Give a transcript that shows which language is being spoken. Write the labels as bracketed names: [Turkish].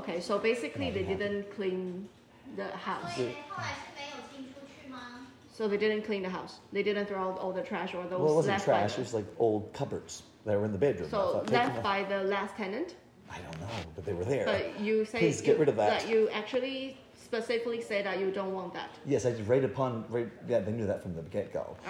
[English] Okay, so basically they didn't clean the house. [Chinese] 所以后来是没有清出去吗？ [English] So they didn't clean the house. They didn't throw out all the trash or those. Well, it wasn't trash. It was like old cupboards that were in the bedroom. So left by the last tenant. I don't know, but they were there. But you say please get rid of that. That you actually. Specifically say that you don't want that. Yes, I right upon, right, yeah, they knew that from the get-go.